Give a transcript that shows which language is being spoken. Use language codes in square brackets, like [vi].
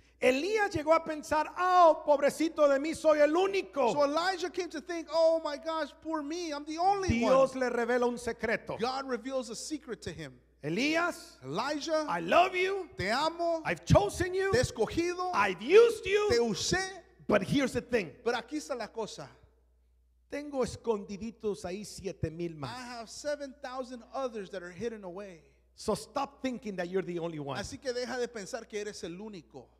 [es] Elías llegó a pensar, oh, pobrecito de mí, soy el único. [en] So Elijah came to think, oh my gosh, poor me, I'm the only [es] Dios [en] one. [es] Dios le revela un secreto. [en] God reveals a secret to him. [es] Elías, [en] Elijah, I love you. [es] Te amo. [en] I've chosen you. [es] Te escogido. [en] I've used you. [es] Te usé. [en] But here's the thing. [es] Pero aquí está la cosa. Tengo escondiditos ahí 7,000 más. [en] I have 7,000 others that are hidden away. So stop thinking that you're the only one. [es] Así que deja de pensar que eres el único.